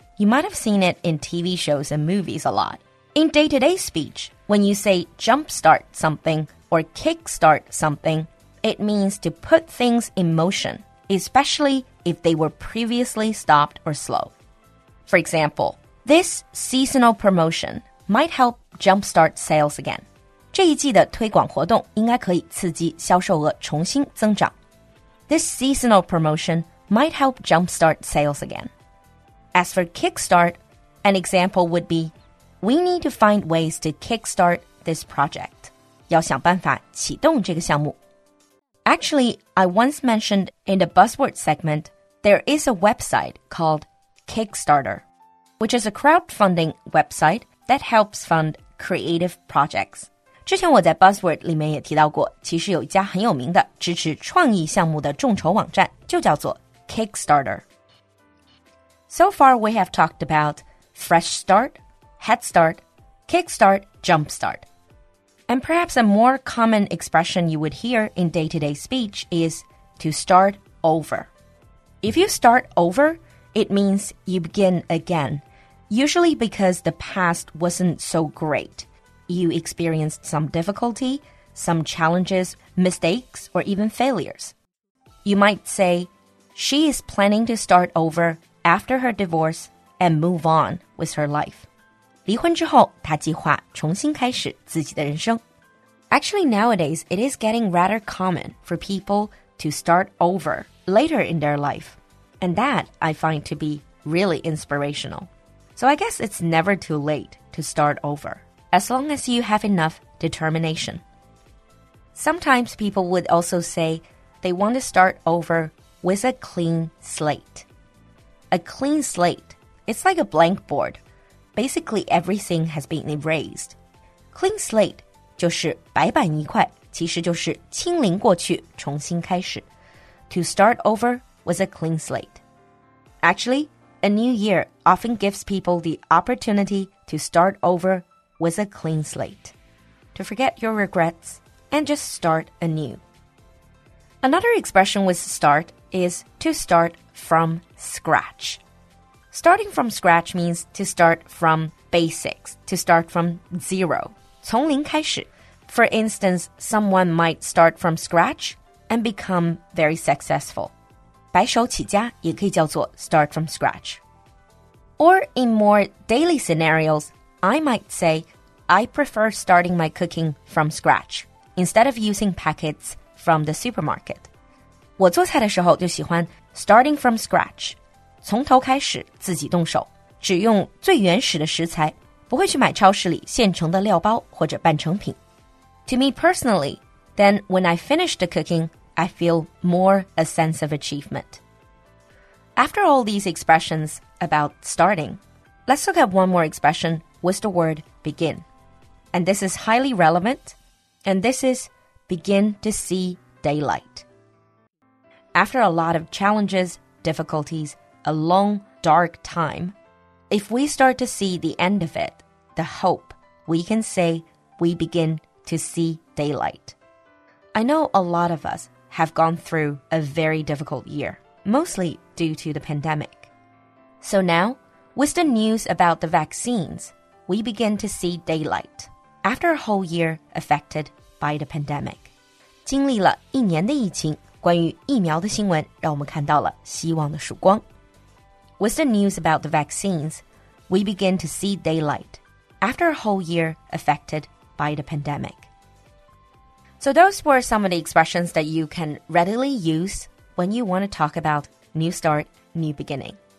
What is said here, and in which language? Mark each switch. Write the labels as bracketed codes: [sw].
[en] You might have seen it in TV shows and movies a lot. In day-to-day speech, when you say jump start something or kick start something, it means to put things in motion, especially if they were previously stopped or slow. For example,This seasonal promotion might help jumpstart sales again. [zh] 这一季的推广活动应该可以刺激销售额重新增长。 [en] This seasonal promotion might help jumpstart sales again. As for kickstart, an example would be, we need to find ways to kickstart this project. [zh] 要想办法启动这个项目。 [en] Actually, I once mentioned in the buzzword segment, there is a website called Kickstarter. Which is a crowdfunding website that helps fund creative projects. [zh] 之前我在 Buzzword 里面也提到过，其实有一家很有名的支持创意项目的众筹网站，就叫做 Kickstarter. [en] So far, we have talked about fresh start, head start, kick start, jump start. And perhaps a more common expression you would hear in day-to-day speech is to start over. If you start over,It means you begin again, usually because the past wasn't so great. You experienced some difficulty, some challenges, mistakes, or even failures. You might say, she is planning to start over after her divorce and move on with her life. [zh] 离婚之后，她计划重新开始自己的人生。 [en] Actually, nowadays, it is getting rather common for people to start over later in their life. And that I find to be really inspirational. So I guess it's never too late to start over, as long as you have enough determination. Sometimes people would also say they want to start over with a clean slate. A clean slate, it's like a blank board. Basically, everything has been erased. Clean slate. [zh] 就是白板一块，其实就是清零过去，重新开始。 [en] To start over with a clean slate. Actually, a new year often gives people the opportunity to start over with a clean slate. To forget your regrets and just start anew. Another expression with start is to start from scratch. Starting from scratch means to start from basics, to start from zero. [zh] 从零开始。 [en] For instance, someone might start from scratch and become very successful. [zh] 白手起家也可以叫做 [en] start from scratch. Or in more daily scenarios, I might say, I prefer starting my cooking from scratch instead of using packets from the supermarket. [zh] 我做菜的时候就喜欢 [en] starting from scratch, [zh] 从头开始自己动手，只用最原始的食材。不会去买超市里现成的料包或者半成品。 [en] To me personally, then when I finish the cooking, I feel more a sense of achievement. After all these expressions about starting, let's look at one more expression with the word begin. And this is highly relevant, and this is begin to see daylight. After a lot of challenges, difficulties, a long, dark time, if we start to see the end of it,the hope, we can say we begin to see daylight. I know a lot of us have gone through a very difficult year, mostly due to the pandemic. So now, with the news about the vaccines, we begin to see daylight after a whole year affected by the pandemic. [zh] 经历了一年的疫情，关于疫苗的新闻让我们看到了希望的曙光。 [en] With the news about the vaccines, we begin to see daylight. After a whole year affected by the pandemic. So those were some of the expressions that you can readily use when you want to talk about new start, new beginning.